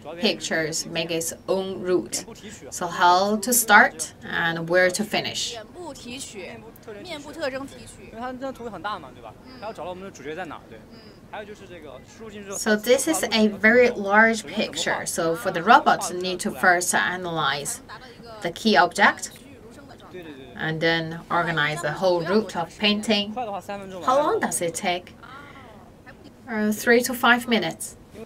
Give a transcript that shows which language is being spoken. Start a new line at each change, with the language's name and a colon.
English: Pictures make its own route. So how to start and where to finish.
Chinese: 面部提取，面部特征提取。因为它那图很大嘛，对吧？还要找到我们的主角在哪，对。还有就是这个输入进去。
English: So this is a very large picture. So for the robots, need to first analyze the key object, and then organize the whole route of painting. How long does it take? 3 to 5 minutes.